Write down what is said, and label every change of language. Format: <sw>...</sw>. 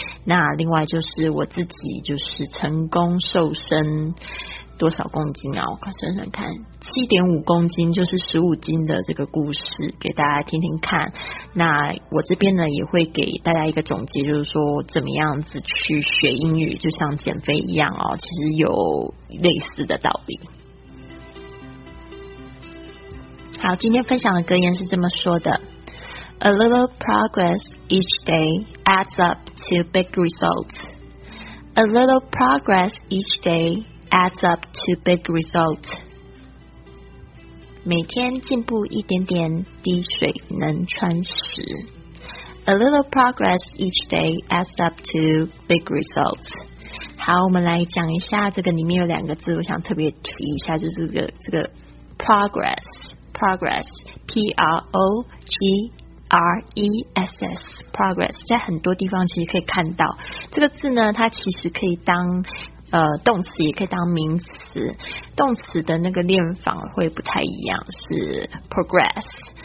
<zh>那另外就是我自己就是成功瘦身多少公斤啊？我快算算看，7.5公斤，就是15斤的这个故事，给大家听听看。那我这边呢，也会给大家一个总结，就是说怎么样子去学英语，就像减肥一样哦，其实有类似的道理。好，今天分享的格言是这么说的 ：</zh> <en>A little progress each day adds up to big results. A little progress each day. Adds up to big results.</en> <zh>每天进步一点点，滴水能穿石。</zh> <en>A little progress each day adds up to big results.</en> <zh>好，我们来讲一下这个里面有两个字，我想特别提一下，就是这个 progress, P-R-O-G-R-E-S-S, progress, 在很多地方其实可以看到这个字呢，它其实可以当动词也可以当名词，动词的那个练法会不太一样，是 progress。</zh>